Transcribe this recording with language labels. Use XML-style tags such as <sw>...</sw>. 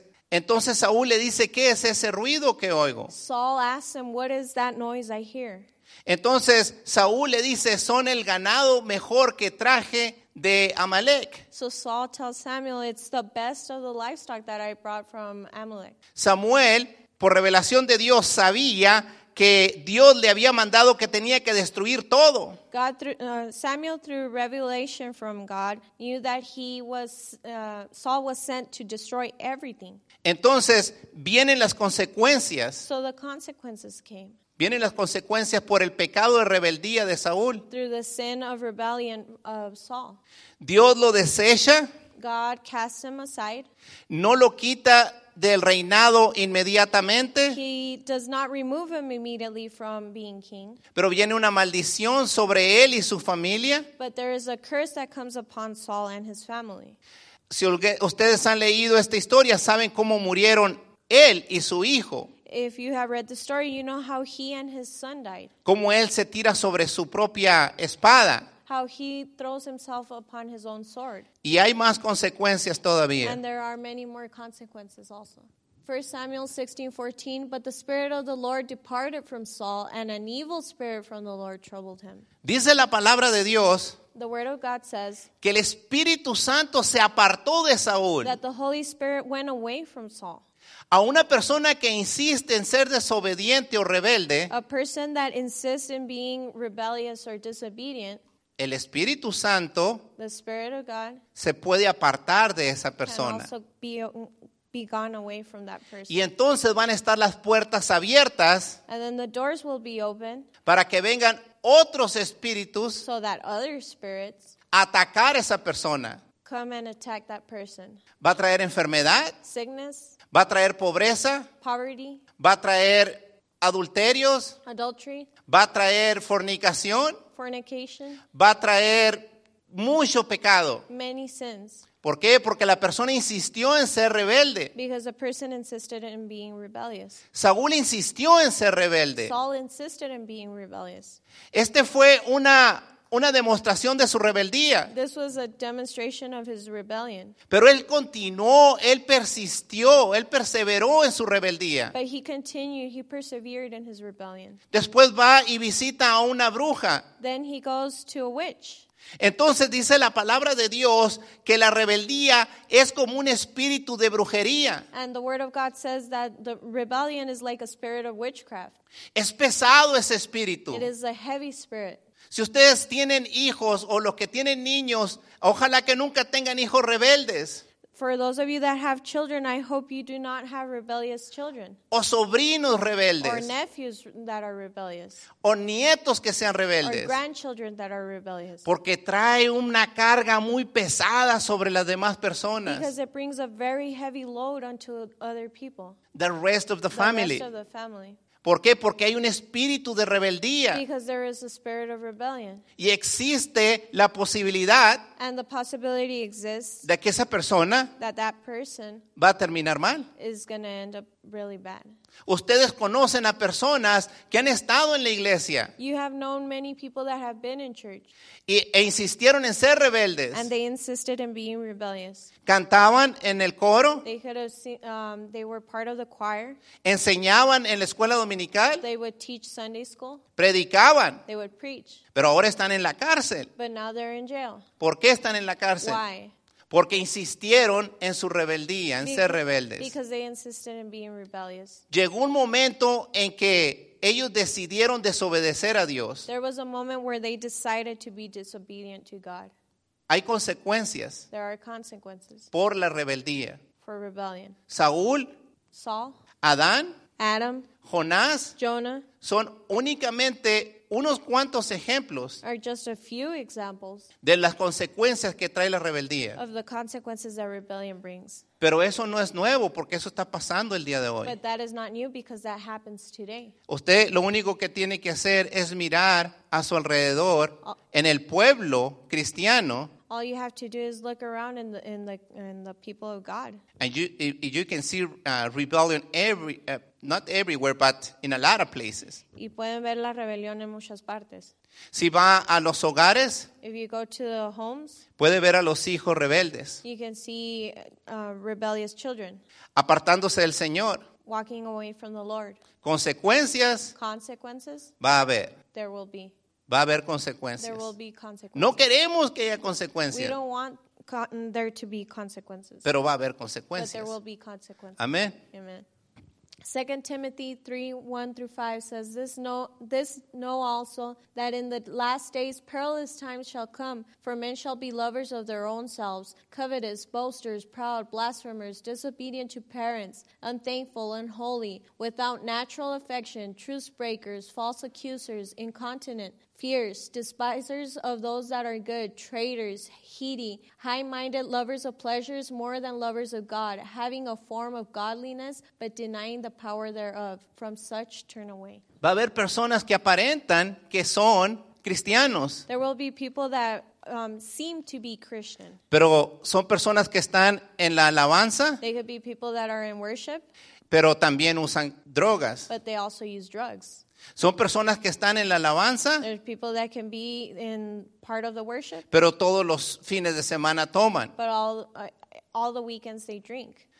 <es>entonces Saúl le dice, ¿qué es ese ruido que oigo?</es> <en>Saul asks him, what is that noise I hear?</en> <es>Entonces Saúl le dice, son el ganado mejor que traje de Amalek.</es> <en>So Saul tells Samuel, it's the best of the livestock that I brought from Amalek.</en> <es>Samuel, por revelación de Dios, sabía que Dios le había mandado que tenía que destruir todo.</es> <en>God through, Samuel, through revelation from God, knew that Saul was sent to destroy everything.</en> <es>Entonces, vienen las consecuencias.</es> <en>So the consequences came.</en> <es>Vienen las consecuencias por el pecado de rebeldía de Saúl.</es> <en>Through the sin of rebellion of Saul.</en> <es>Dios lo desecha.</es> <en>God casts him aside.</en> <es>No lo quita del reinado inmediatamente.</es> <en>He does not remove him immediately from being king.</en> <es>Pero viene una maldición sobre él y su familia.</es> <en>But there is a curse that comes upon Saul and his family.</en> <es>Si ustedes han leído esta historia, saben cómo murieron él y su hijo.</es> <en>If you have read the story, you know how he and his son died.</en> <es>Cómo él se tira sobre su propia espada.</es> <en>How he throws himself upon his own sword.</en> <es>Y hay más consecuencias todavía.</es> <en>And there are many more consequences also. 1 Samuel 16:14, but the spirit of the Lord departed from Saul, and an evil spirit from the Lord troubled him.</en> <es>Dice la palabra de Dios.</es> <en>The word of God says.</en> <es>Que el Espíritu Santo se apartó de Saúl.</es> <en>That the Holy Spirit went away from Saul.</en> <es>A una persona que insiste en ser desobediente o rebelde.</es> <en>A person that insists in being rebellious or disobedient.</en> <es>El Espíritu Santo,</es> <en>the Spirit of God,</en> <es>se puede apartar de esa persona.</es> <en>Can also be gone away from that person.</en> <es>Y entonces van a estar las puertas abiertas.</es> <en>And then the doors will be open.</en> <es>Para que vengan otros espíritus.</es> <en>So that other spirits.</en> <es>Atacar esa persona.</es> <en>Come and attack that person.</en> <es>Va a traer enfermedad.</es> <en>Sickness.</en> <es>Va a traer pobreza.</es> <en>Poverty.</en> <es>Va a traer adulterios.</es> <en>Adultery.</en> <es>Va a traer fornicación.</es> <en>fornication,</en> <es>va a traer mucho pecado.</es> <en>Many sins.</en> <es>¿Por qué? Porque la persona insistió en ser rebelde.</es> <en>Because the person insisted in being rebellious.</en> <es>Saúl insistió en ser rebelde.</es> <en>Saul insisted in being rebellious.</en> <es>Este fue una demostración de su rebeldía.</es> <en>This was a demonstration of his rebellion.</en> <es>Pero él continuó, él persistió, él perseveró en su rebeldía.</es> <en>But he continued, he persevered in his rebellion.</en> <es>Después va y visita a una bruja.</es> <en>Then he goes to a witch.</en> <es>Entonces dice la palabra de Dios que la rebeldía es como un espíritu de brujería.</es> <en>And the word of God says that the rebellion is like a spirit of witchcraft.</en> <es>Es pesado ese espíritu.</es> <en>It is a heavy spirit.</en> <es>Si ustedes tienen hijos o los que tienen niños, ojalá que nunca tengan hijos rebeldes.</es> <en>For those of you that have children, I hope you do not have rebellious children.</en> <es>O sobrinos rebeldes.</es> <en>Or nephews that are rebellious.</en> <es>O nietos que sean rebeldes.</es> <en>Or grandchildren that are rebellious.</en> <es>Porque trae una carga muy pesada sobre las demás personas.</es> <en>Because it brings a very heavy load onto other people. The rest of the family. The rest of the family.</en> <es>¿Por qué? Porque hay un espíritu de rebeldía.</es> <en>Because there is a spirit of rebellion.</en> <es>Y existe la posibilidad.</es> <en>And the possibility exists.</en> <es>De que esa persona.</es> <en>That person.</en> <es>Va a terminar mal.</es> <en>Is going to end up really bad.</en> <es>Ustedes conocen a personas que han estado en la iglesia.</es> <en>You have known many people that have been in church.</en> <es>E insistieron en ser rebeldes.</es> <en>And they insisted in being rebellious.</en> <es>Cantaban en el coro.</es> <en>They were part of the choir.</en> <es>Enseñaban en la escuela dominical.</es> <en>They would teach Sunday school.</en> <es>Predicaban.</es> <en>They would preach.</en> <es>Pero ahora están en la cárcel.</es> <en>But now they're in jail.</en> <es>¿Por qué están en la cárcel?</es> <en>Why?</en> <es>Porque insistieron en su rebeldía, en ser rebeldes.</es> <en>Because they insisted in being rebellious.</en> <es>Llegó un momento en que ellos decidieron desobedecer a Dios.</es> <en>There was a moment where they decided to be disobedient to God.</en> <es>Hay consecuencias.</es> <en>There are consequences.</en> <es>Por la rebeldía.</es> <en>For rebellion.</en> <es>Saúl.</es> <en>Saul.</en> <es>Adán.</es> <en>Adam.</en> <es>Jonás.</es> <en>Jonah.</en> <es>Son únicamente unos cuantos ejemplos</es> <en>are just a few examples</en> <es>de las consecuencias que trae la rebeldía.</es> <en>Of the consequences that rebellion brings.</en> <es>Pero eso no es nuevo porque eso está pasando el día de hoy.</es> <en>But that is not new because that happens today.</en> <es>Usted lo único que tiene que hacer es mirar a su alrededor en el pueblo cristiano.</es> <en>All you have to do is look around in the people of God. And you can see rebellion not everywhere, but in a lot of places.</en> <es>Y pueden ver la rebelión en muchas partes. Si va a los hogares,</es> <en>if you go to the homes,</en> <es>puede ver a los hijos rebeldes.</es> <en>You can see rebellious children.</en> <es>Apartándose del Señor.</es> <en>Walking away from the Lord.</en> <es>Consecuencias.</es> <en>Consequences.</en> <es>Va a haber.</es> <en>There will be.</en> <es>Va a haber consecuencias.</es> <en>There will be consequences.</en> <es>No queremos que haya consecuencias.</es> <en>We don't want there to be consequences.</en> <es>Pero va a haber consecuencias.</es> <en>But there will be consequences.</en> <es>Amén.</es> <en>Amen. 2 Timothy 3:1 through 5 says, This know also that in the last days perilous times shall come, for men shall be lovers of their own selves, covetous, boasters, proud, blasphemers, disobedient to parents, unthankful, unholy, without natural affection, truce breakers, false accusers, incontinent, fierce, despisers of those that are good, traitors, heady, high-minded, lovers of pleasures more than lovers of God, having a form of godliness, but denying the power thereof. From such turn away.</en> <es>Va a haber personas que aparentan que son cristianos.</es> <en>There will be people that seem to be Christian.</en> <es>Pero son personas que están en la alabanza.</es> <en>They could be people that are in worship.</en> <es>Pero también usan drogas.</es> <en>But they also use drugs.</en> <es>Son personas que están en la alabanza.</es> <en>There's people that can be in part of the worship.</en> <es>Pero todos los fines de semana toman.</es> <en>But all the weekends they drink.</en>